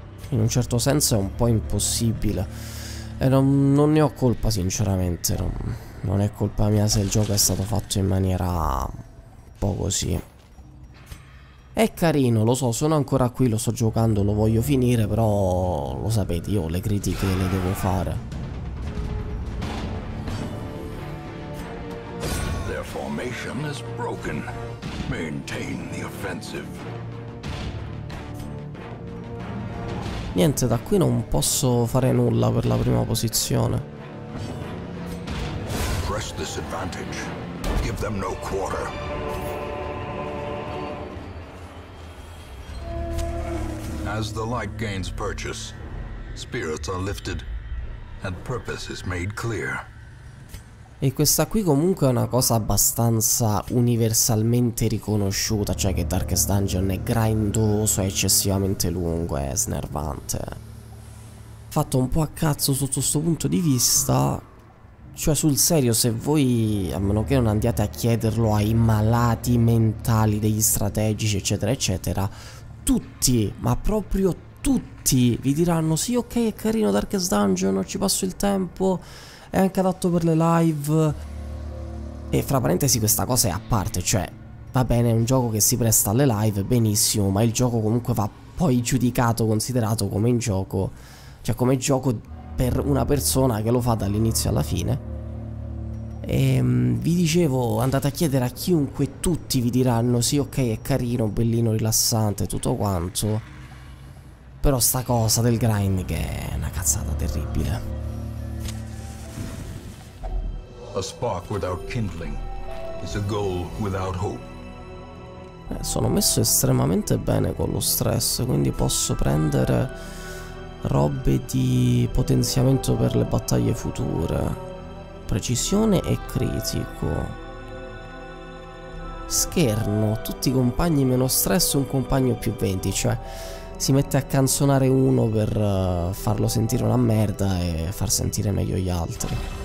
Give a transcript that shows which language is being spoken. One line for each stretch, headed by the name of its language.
Italian: In un certo senso è un po' impossibile. E non ne ho colpa sinceramente. Non è colpa mia se il gioco è stato fatto in maniera un po' così. È carino, lo so, sono ancora qui, lo sto giocando, lo voglio finire, però lo sapete, io le critiche le devo fare.
English: Their formation is broken. Maintain the offensive.
Italian: Niente, da qui non posso fare nulla per la prima posizione.
English: Press this advantage. Give them no quarter. As the light gains purchase, spirits are lifted and purpose is made clear.
Italian: E questa qui comunque è una cosa abbastanza universalmente riconosciuta, cioè che Darkest Dungeon è grindoso, è eccessivamente lungo, è snervante. Fatto un po' a cazzo sotto questo punto di vista, cioè sul serio, se voi, a meno che non andiate a chiederlo ai malati mentali, degli strategici, eccetera, eccetera, tutti, ma proprio tutti, vi diranno sì, ok, è carino Darkest Dungeon, non ci passo il tempo, è anche adatto per le live. E fra parentesi, questa cosa è a parte, cioè va bene, è un gioco che si presta alle live, benissimo, ma il gioco comunque va poi giudicato, considerato come in gioco, cioè come gioco per una persona che lo fa dall'inizio alla fine. E vi dicevo, andate a chiedere a chiunque, tutti vi diranno sì, ok, è carino, bellino, rilassante, tutto quanto. Però sta cosa del grind che è una cazzata terribile.
English: A spark without kindling is a goal without hope.
Italian: Sono messo estremamente bene con lo stress, quindi posso prendere robe di potenziamento per le battaglie future. Precisione e critico. Scherno, tutti i compagni meno stress, un compagno più 20, cioè si mette a canzonare uno per farlo sentire una merda e far sentire meglio gli altri.